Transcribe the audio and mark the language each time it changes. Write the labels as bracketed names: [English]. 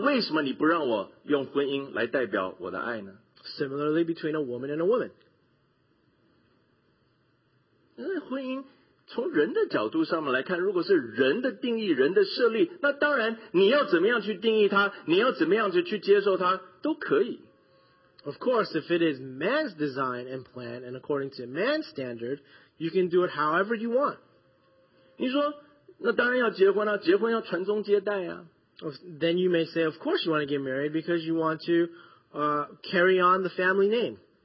[Chinese] 为什么两个女人不可以相爱，爱到一个地步，比这个世界上面没有任何的关系可以比较？那为什么你不让我用婚姻来代表我的爱呢？ [English] Similarly, between a woman and a woman. [Chinese] 那婚姻从人的角度上面来看，如果是人的定义、人的设立，那当然你要怎么样去定义它，你要怎么样去接受它，都可以。 [English] Of course, if it is man's design and plan, and according to man's standard, you can do it however you want. [Chinese] 你说，那当然要结婚啊，结婚要传宗接代啊。Then [English] you may say, of course you want to get married because you want to carry on the family name.